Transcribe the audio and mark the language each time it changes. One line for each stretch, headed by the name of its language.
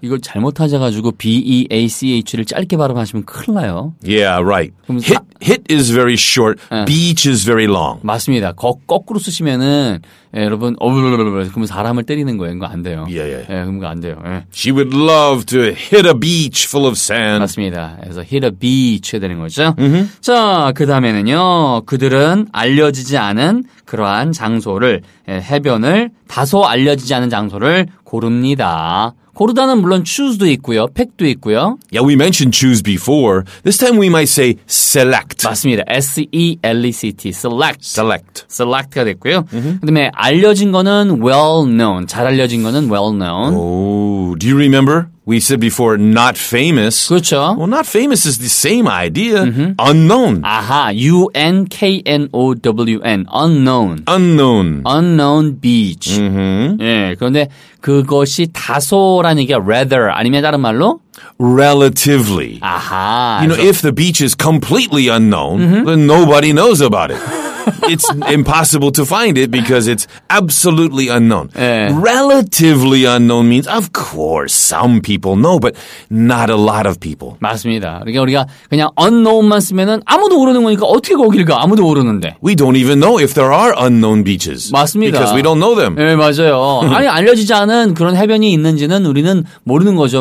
Korean: 이걸 잘못 찾아가지고 B-E-A-C-H를 짧게 발음하시면 큰일 나요.
English: Yeah, right. Hit is very short.
Korean: 네.
English: Beach is very long.
Korean: 맞습니다. 거꾸로 쓰시면은 예, 여러분 그러면 사람을 때리는 거예요. 그거 안 돼요.
English: Yeah, yeah.
Korean: 예, 그거 안 돼요. 예.
English: She would love to hit a beach full of sand.
Korean: 맞습니다. 그래서 hit a beach 해야 되는 거죠. Mm-hmm. 자, 그 다음에는요. 그들은 알려지지 않은 그러한 장소를 예, 해변을 다소 알려지지 않은 장소를 고릅니다. 고르다는 물론 choose도 있고요. pick도 있고요.
English: Yeah, we mentioned choose before. This time we might say select.
Korean: 맞습니다.
English: S-E-L-E-C-T. Select. Select.
Korean: Select가 됐고요. Mm-hmm. 그 다음에 알려진 거는 well known. 잘 알려진 거는 well known.
English: Oh, do you remember? We said before not famous.
Korean: 그렇죠.
English: Well, not famous is the same idea. Mm-hmm. Unknown.
Korean: 아하.
English: U-N-K-N-O-W-N. Unknown. Unknown. Unknown beach. Mm-hmm.
Korean: 예, 그런데 그것이 다소라는 얘기가 rather 아니면 다른 말로?
English: Relatively.
Korean: 아하.
English: You know, if the beach is completely unknown, mm-hmm. then nobody knows about it. It's impossible to find it because it's absolutely unknown.
Korean: 예.
English: Relatively unknown means, of course, some people know, but not a lot of people.
Korean: 맞습니다. 그러니까 우리가 그냥 unknown만 쓰면은 아무도 모르는 거니까 어떻게 거길 가? 아무도 모르는데.
English: We don't even know if there are unknown beaches.
Korean: 맞습니다.
English: Because we don't know them.
Korean: 예, 맞아요. 아니, 알려지지 않은 그런 해변이 있는지는 우리는 모르는 거죠.